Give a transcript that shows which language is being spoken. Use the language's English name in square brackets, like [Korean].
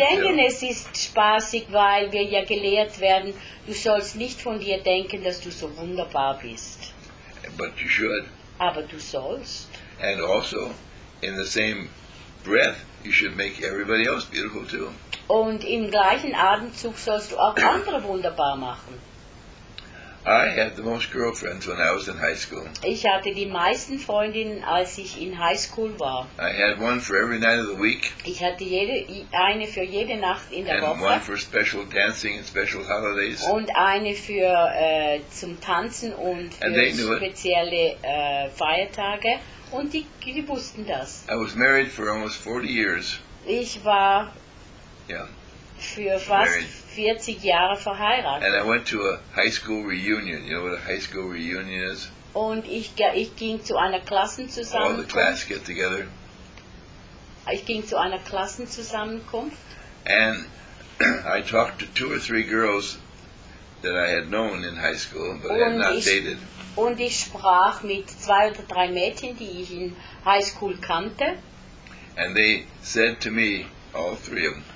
[German] denken, [English] you know. [German] Es ist spaßig, weil wir ja gelehrt werden, du sollst nicht von dir denken, dass du so wunderbar bist. [English] But you should. [German] Aber du sollst. [English] And also, in the same breath, you should make everybody else beautiful too. [German] Und im gleichen Atemzug sollst du auch andere wunderbar machen. [English] I had the most girlfriends when I was in high school. [German] Ich hatte die meisten Freundinnen, als ich in high school war. [English] I had one for every night of the week. [German] Ich hatte eine für jede Nacht in der [English] and [German] Woche. [English] One for special dancing and special holidays. [German] Und eine für zum Tanzen und für spezielle Feiertage. Und die wussten das. [English] I was married for almost 40 years. [German] Ich war [English] yeah. [German] für fast married. 40 Jahre verheiratet. [English] And I went to a high school reunion. You know what a high school reunion is? [German] Und ich ging zu einer Klassenzusammenkunft. [English] All the class get together. [German] Ich ging zu einer Klassenzusammenkunft. [English] And I talked to two or three girls that I had known in high school, but [German] und [English] I had not dated. [German] Und ich sprach mit zwei oder drei Mädchen, die ich in high school kannte. [English] And they said to me, all three of them,